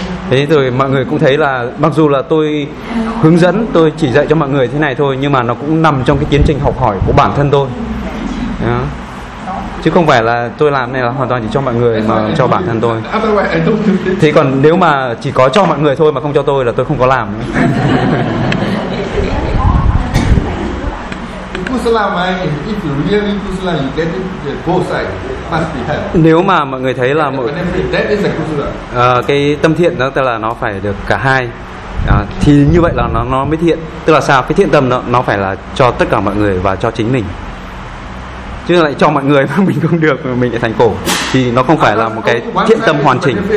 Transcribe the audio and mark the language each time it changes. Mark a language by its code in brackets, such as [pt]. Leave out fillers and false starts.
[vi] Thế rồi mọi người cũng thấy là mặc dù là tôi hướng dẫn, tôi chỉ dạy cho mọi người thế này thôi, nhưng mà nó cũng nằm trong cái tiến trình học hỏi của bản thân tôi. Chứ không phải là tôi làm này là hoàn toàn chỉ cho mọi người mà cho bản thân tôi. Thế còn nếu mà chỉ có cho mọi người thôi mà không cho tôi là tôi không có làm. [en] You put kusala mind, if you really kusala, you get it, both sides must be held. [vi] Nếu mà mọi người thấy là mọi [en] that is a kusala. [vi] Cái tâm thiện đó tức là nó phải được cả hai. Thì như vậy là nó mới thiện. Tức là sao? Cái thiện tâm nó phải là cho tất cả mọi người và cho chính mình. Chứ lại cho mọi người mà mình không được, mình lại thành khổ. Thì nó không phải là một cái thiện tâm hoàn chỉnh.